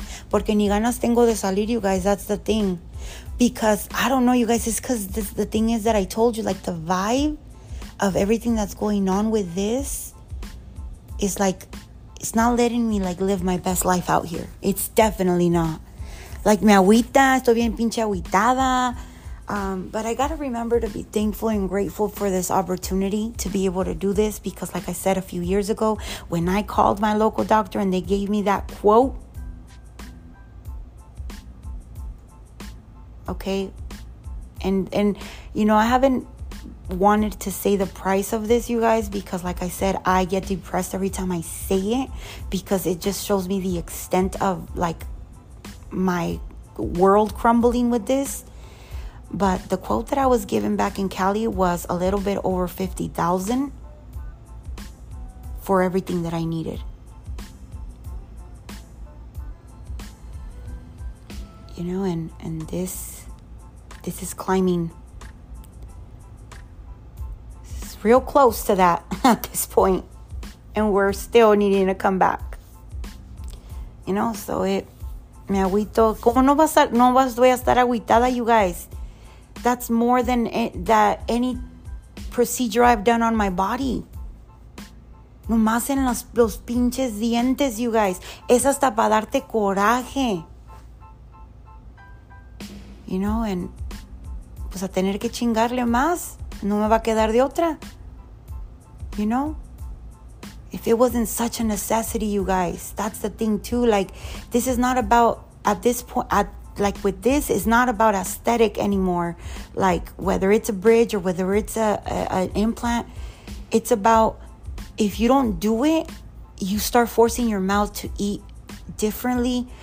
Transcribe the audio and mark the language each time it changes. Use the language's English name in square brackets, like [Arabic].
[Spanish] Porque ni ganas tengo de salir, [English] you guys, that's the thing. Because, I don't know, you guys, it's because the thing is that I told you, like, the vibe of everything that's going on with this is, like, it's not letting me, like, live my best life out here. It's definitely not. [Spanish] Like, me agüita, estoy bien pinche agüitada. [English] But I gotta remember to be thankful and grateful for this opportunity to be able to do this, because like I said a few years ago, when I called my local doctor and they gave me that quote, okay, and you know, I haven't wanted to say the price of this, you guys, because like I said, I get depressed every time I say it, because it just shows me the extent of like my world crumbling with this. But the quote that I was given back in Cali was a little bit over $50,000 for everything that I needed. You know, and this is climbing. It's real close to that at this point. And we're still needing to come back. You know, so it... [Spanish] Me agüito. ¿Cómo no vas a, no vas, voy a estar agüitada, [English] you guys? That's more than that any procedure I've done on my body. [Spanish] No más en los pinches dientes, [English] you guys. [Spanish] Es hasta para darte coraje. [English] You know, and [Spanish] pues a tener que chingarle más. No me va a quedar de otra. [English] You know? If it wasn't such a necessity, you guys. That's the thing, too. Like, this is not about, at this point, at like with this, it's not about aesthetic anymore. Like whether it's a bridge or whether it's an implant, it's about if you don't do it, you start forcing your mouth to eat differently.